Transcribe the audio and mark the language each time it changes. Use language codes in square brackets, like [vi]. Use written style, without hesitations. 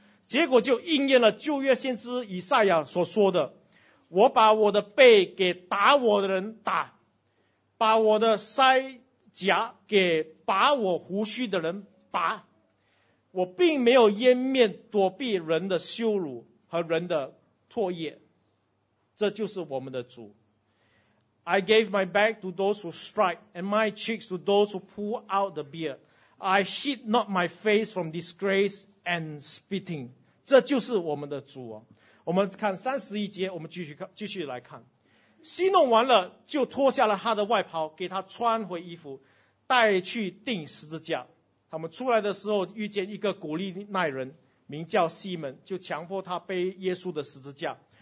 [zh] 结果就应验了旧约先知以赛亚所说的，我把我的背给打我的人打，把我的腮颊给拔我胡须的人拔，我并没有掩面躲避人的羞辱和人的唾液。这就是我们的主。 [en] I gave my back to those who strike and my cheeks to those who pull out the beard. I hid not my face from disgrace and spitting. [zh] 这就是我们的主哦。我们看31节，我们继续来看。戏弄完了，就脱下了他的外袍，给他穿回衣服，带去钉十字架。他们出来的时候，遇见一个古利奈人，名叫西门，就强迫他背耶稣的十字架。